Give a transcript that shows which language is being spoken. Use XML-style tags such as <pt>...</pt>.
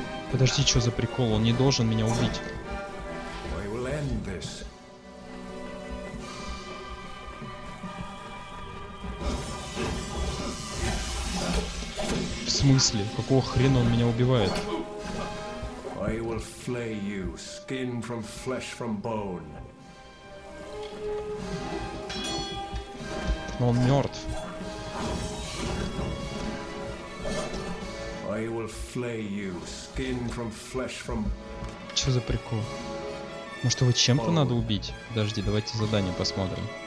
<ru>Подожди, что за прикол? Он не должен меня убить. В смысле? Какого хрена он меня убивает?</ru> <en>I will flay you, skin from flesh from bone.</en> <ru>Но он мертв.</ru> <en>I will flay you, skin from flesh from...</en> <ru>Чё за прикол? Может, его чем-то надо убить? Подожди, давайте задание посмотрим.</ru>